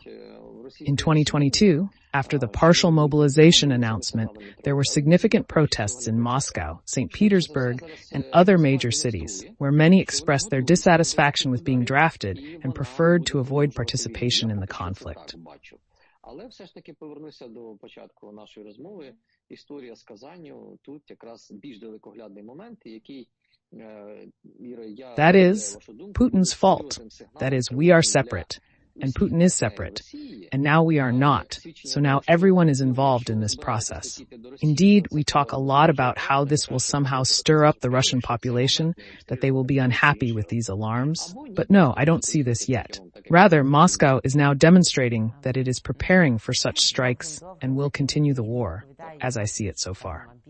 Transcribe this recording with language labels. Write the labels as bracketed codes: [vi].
[en] In 2022, after the partial mobilization announcement, there were significant protests in Moscow, St. Petersburg, and other major cities, where many expressed their dissatisfaction with being drafted and preferred to avoid participation in the conflict. [uk] Але все ж таки повернуся до початку нашої розмови. Історія з Казанню тут якраз більш далекоглядний момент, який Іра, я [en] That is Putin's fault. That is, we are separate. And Putin is separate. And now we are not. So now everyone is involved in this process. Indeed, we talk a lot about how this will somehow stir up the Russian population, that they will be unhappy with these alarms. But no, I don't see this yet. Rather, Moscow is now demonstrating that it is preparing for such strikes and will continue the war, as I see it so far.